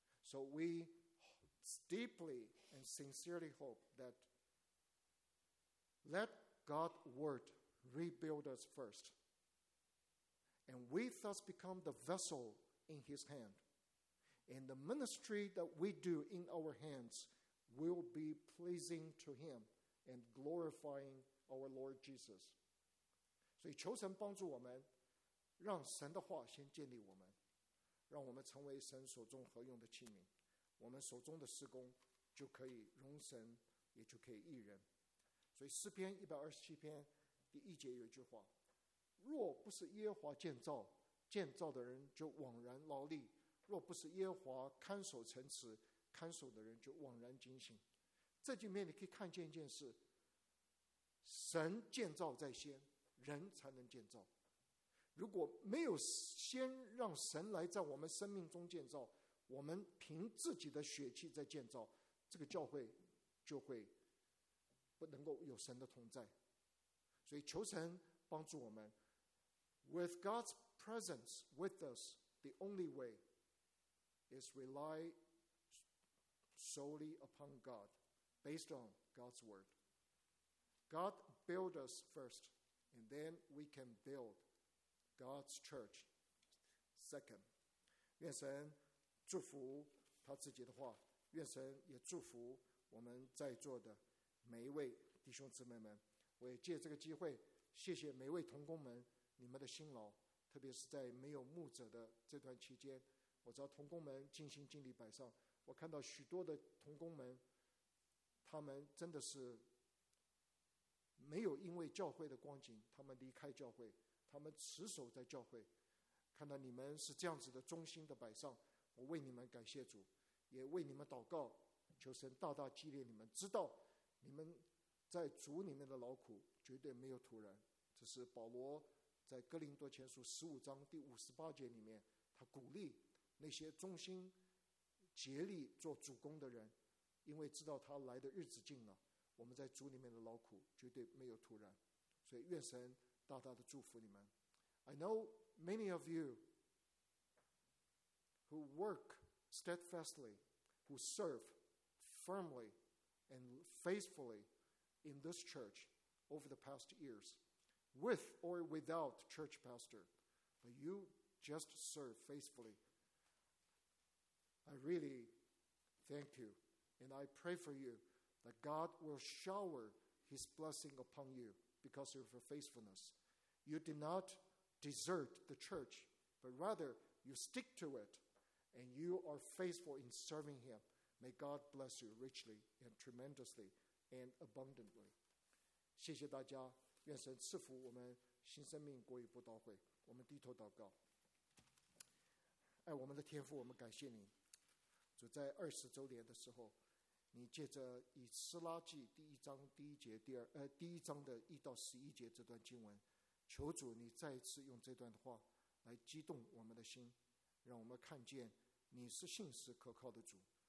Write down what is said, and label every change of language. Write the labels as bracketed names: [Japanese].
[English] So we deeply and sincerely hope that let God's word rebuild us first. And we thus become the vessel in his hand. And the ministry that we do in our hands will be pleasing to him and glorifying our Lord Jesus. [Chinese] 所以求神帮助我们，让神的话先建立我们，让我们成为神手中合用的器皿，我们手中的事工就可以容神，也就可以益人。所以诗篇127篇第一节有一句话，若不是耶和华建造，建造的人就枉然劳力，若不是耶和华看守城池，看守的人就枉然警醒。这里面你可以看见一件事，神建造在先，人才能建造。如果没有先让神来在我们生命中建造，我们凭自己的血气在建造，这个教会就会不能够有神的同在。所以求神帮助我们， [English] With God's presence with us, the only way is rely solely upon God, based on God's word. God build us first, and then we can build God's church second. [Chinese] 愿神祝福他自己的话，愿神也祝福我们在座的每一位弟兄姊妹们。我也借这个机会谢谢每位同工们你们的辛劳，特别是在没有牧者的这段期间，我知道同工们尽心尽力摆上，我看到许多的同工们，他们真的是没有因为教会的光景他们离开教会，他们持守在教会，看到你们是这样子的忠心的摆上，我为你们感谢主，也为你们祷告，求神大大激励你们，知道你们在主里面的劳苦绝对没有徒然。这是保罗在哥林多前书15章第58节里面，他鼓励那些忠心竭力做主工的人，因为知道他来的日子近了，我们在主里面的劳苦绝对没有徒然。所以愿神大大的祝福你们。 [English] I know many of you who work steadfastly, who serve firmly and faithfully in this church over the past years, with or without church pastor, but you just serve faithfully. I really thank you, and I pray for you that God will shower his blessing upon you. because of your faithfulness. You did not desert the church, but rather you stick to it, and you are faithful in serving him. May God bless you richly and tremendously and abundantly. [Chinese] 谢谢大家，愿神赐福我们新生命国语布道会。我们低头祷告。爱我们的天父，我们感谢你，主在二十周年的时候，你借着以斯拉记第一章第一节第二第一章的一到十一节这段经文，求主你再一次用这段话来激动我们的心，让我们看见你是信实可靠的主。